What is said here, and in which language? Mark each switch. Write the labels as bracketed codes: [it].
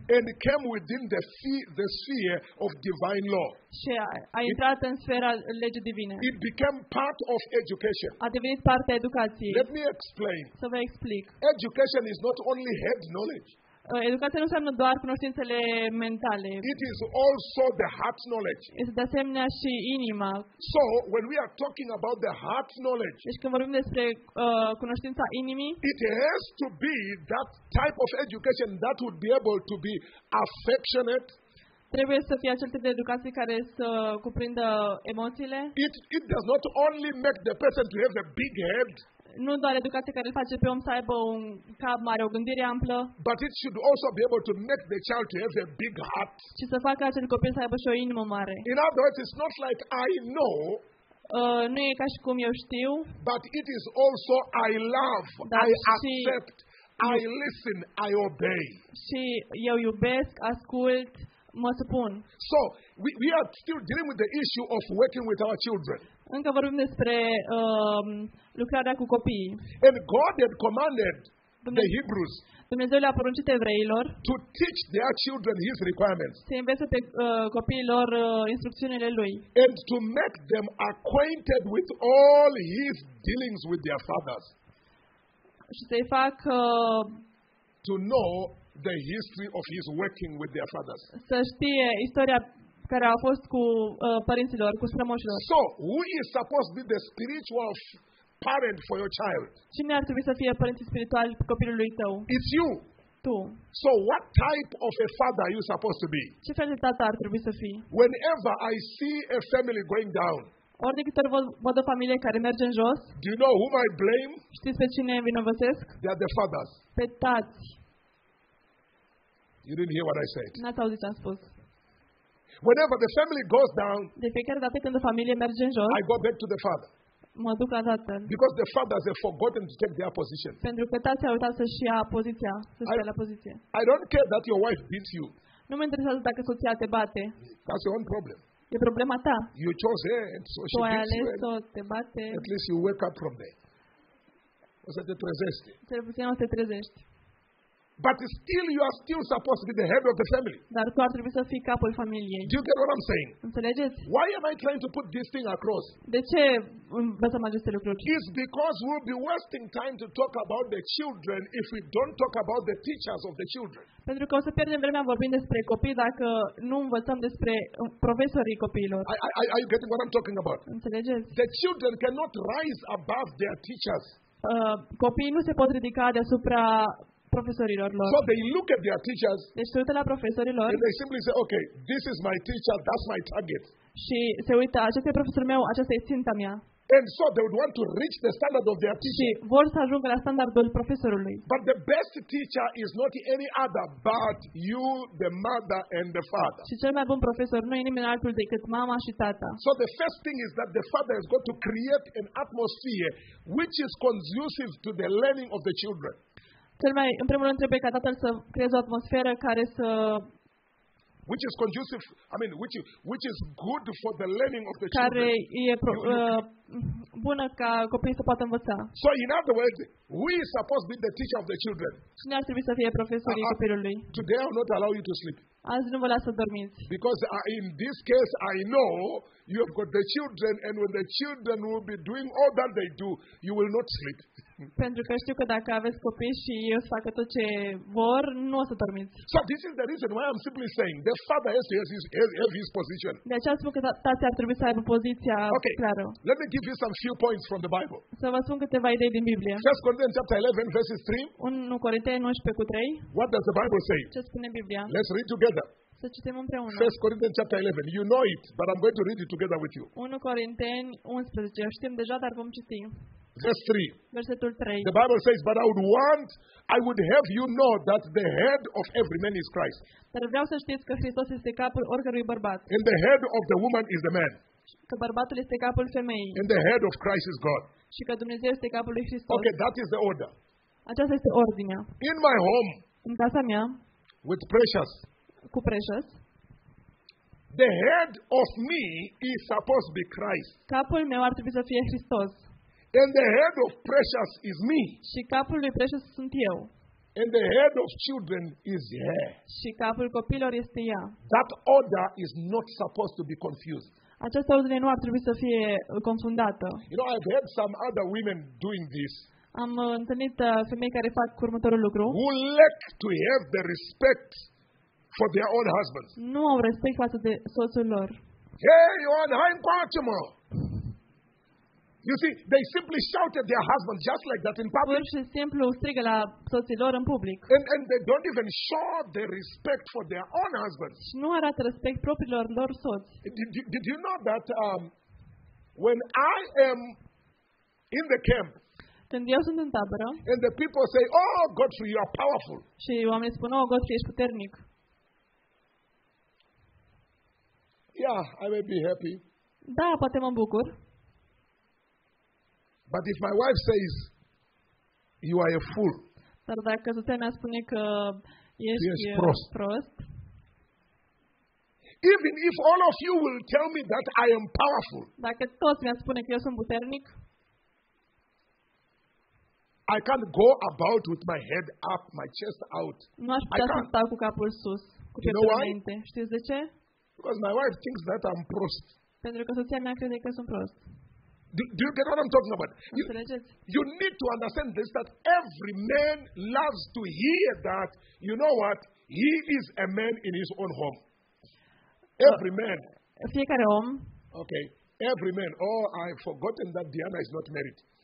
[en] And came within the sphere of divine law. [ro] Și a intrat în sfera legii divine. [en] It became part of education. [ro] A devenit parte a educației. [en] Let me explain. [ro] Să vă explic. [en] Education is not only head knowledge. [ro] Educația nu înseamnă doar cunoștințele mentale. [en] It is also the heart knowledge. [ro] Este de asemenea și inima. [en] So when we are talking about the heart knowledge. [ro] Deci când vorbim despre cunoștința inimii. [en] It has to be that type of education that would be able to be affectionate. [ro] Trebuie să fie acel tip de educație care să cuprindă emoțiile. [en] It does not only make the person to have a big head. [ro] Nu doar educație care îl face pe om să aibă un cap mare, o gândire amplă. [en] But it should also be able to make the child to have a big heart. [ro] Și să facă acel copil să aibă și o inimă mare. [en] In other words, it's not like I know. [ro] Nu e ca și cum eu știu. [en] But it is also I love, I accept, I listen, I obey. [ro] Și eu iubesc, ascult. Mă supun. [en] So, we are still dealing with the issue of working with our children. [ro] Încă vorbim despre lucrarea cu copiii. [en] And God had commanded the Hebrews. [ro] Dumnezeu le-a poruncit evreilor [en] to teach their children his requirements. [ro] Să învețe pe copiilor instrucțiunile lui. [en] And to make them acquainted with all his dealings with their fathers. [ro] Și să-i fac [en] to know the history of his working with their fathers. [ro] Să știe istoria care a fost cu părinților, cu strămoșilor. [en] So, who is supposed to be the spiritual parent for your child? [ro] Cine ar trebui să fie părinții spirituali copilului tău? [en] It's you. [ro] Tu. [en] So, what type of a father are you supposed to be? [ro] Ce fel de tată ar trebui să fii? [en] Whenever I see a family going down, [ro] ori de câte ori văd o familie care merge în jos, [en] do you know whom I blame? [ro] Știți pe cine vinovăsesc? [en] They are the fathers. [ro] Pe tați. [en] You didn't hear what I said. [ro] N-ați auzit ce am spus. [en] Whenever the family goes down, [ro] de fiecare dată când o familie merge în jos, [en] I go back to the father. [ro] Mă duc la tatăl. [en] Because the fathers have forgotten to take their position. [ro] Pentru că tații au uitat să-și ia poziția, să-și ia la poziție. [en] I don't care that your wife beats you. [ro] Nu mă interesează dacă soția te bate. [en] That's your own problem. [ro] E problema ta. [en] You chose her, and so [ro] tu [en] she [ro] ai [en] beats [ro] ales [en] you, [ro] and te bate. [en] At least you wake up from there. [ro] O să te trezești. Cel puțin o să te trezești. [en] But still, you are still supposed to be the head of the family. [ro] Dar tu ar trebui să fii capul familiei. [en] Do you get what I'm saying? [ro] Înțelegeți? [en] Why am I trying to put this thing across? [ro] De ce învățăm aceste lucruri? [en] It's because we'll be wasting time to talk about the children if we don't talk about the teachers of the children. [ro] Pentru că o să pierdem vremea vorbind despre copii dacă nu învățăm despre profesorii copiilor. [en] Are you getting what I'm talking about? [ro] Înțelegeți? [en] The children cannot rise above their teachers. [ro] Copiii nu se pot ridica deasupra profesorilor lor. [en] So they look at their teachers. [ro] Deci se uită la profesorii lor. [en] And they simply say, okay, this is my teacher, that's my target. [ro] Și se uită, acesta e profesorul meu, aceasta e ținta mea. [en] And so they would want to reach the standard of their teacher. [ro] Și vor să ajungă la standardul profesorului. [en] But the best teacher is not any other but you, the mother and the father. [ro] Și cel mai bun profesor nu e nimeni altul decât mama și tata. [en] So the first thing is that the father has got to create an atmosphere which is conducive to the learning of the children. [ro] Cel mai, în primul rând, trebuie ca tatăl să creeze o atmosferă care să [en] which is conducive, I mean, which is good for the learning of the [ro] care [en] children. [ro] E bună ca copiii să poată învăța. [en] So in other words, we are supposed to be the teacher of the children. [ro] Cine ar trebui să fie profesorii copilului? [en] Today I will not allow you to sleep. [ro] Azi nu vă las să dormiți. [en] Because in this case I know you have got the children and when the children will be doing all that they do, you will not sleep. [ro] Pentru că știu că dacă aveți copii și ei o să facă tot ce vor, nu o să dormiți. [en] So this is the reason why I'm simply saying the father has to have his position. [ro] De aceea spun că tatăl ar trebui să aibă poziția clară. [en] Okay. Let me give you some few points from the Bible. [ro] Să vă spun câteva idei din Biblie. [en] 1 Corinteni chapter 11 verses 3. [ro] 1 Corinteni 11 cu 3. [en] What does the Bible say? [ro] Ce spune Biblia? [en] Let's read together. [ro] Să citim împreună. [en] 1 Corinteni chapter 11. You know it, but I'm going to read it together with you. [ro] 1 Corinteni 11. Știm deja, dar vom citi. [en] Verse 3. [ro] Versetul 3. [en] The Bible says, but I would have you know that the head of every man is Christ. [ro] Dar vreau să știți că Hristos este capul oricărui bărbat. [en] And the head of the woman is the man. [ro] Că bărbatul este capul femeii. [en] And the head of Christ is God. [ro] Și că Dumnezeu este capul lui Hristos. [en] Okay, that is the order. [ro] Aceasta este ordinea. [en] In my home. [ro] În casa mea. [en] With precious. [ro] Cu precious. [en] The head of me is supposed to be Christ. [ro] Capul meu ar trebui să fie Hristos. [en] And the head of precious is me. [ro] Și capul lui precious sunt eu. [en] And the head of children is her. [ro] Și capul copilor este ea. [en] That order is not supposed to be confused. [ro] Această ordine nu ar trebui să fie confundată. [en] You know, I've heard some other women doing this. [ro] Am întâlnit femei care fac următorul lucru. [en] Who lack to have the respect for their own husbands. [ro] Nu au respect față de soțul lor. [en] Hey, you are high quality. You see, they simply shout at their husband just like that in public. [ro] Pur și simplu strigă la soții lor în public. [en] And they don't even show their respect for their own husbands. [ro] Nu arată respect propriilor lor soți. [en] Did you know that when I am in the camp? [ro] Când eu sunt în tabără. [en] And the people say, "Oh, Godfrey, you are powerful." [ro] Și oamenii spun, "Oh, Godfrey, ești puternic." [en] Yeah, I may be happy. [ro] Da, poate mă bucur. [en] But if my wife says you are a fool. [ro] Dar dacă soția mea spune că ești prost. [en] Even if all of you will tell me that I am powerful. [ro] Dacă toți mi-ați spune că eu sunt puternic. [en] I can't go about with my head up, my chest out. [ro] Nu aș putea să stau cu capul sus, cu pieptul înainte. Știți de ce? [en] Because my wife thinks that I'm prost. [ro] Pentru că soția mea crede că sunt prost. [en] Do you get what I'm talking about? You need to understand this, that every man loves to hear that, you know what, he is a man in his own home. Every man. [ro] Fiecare om. [en] Okay, every man. Oh, I've forgotten that Diana is not married.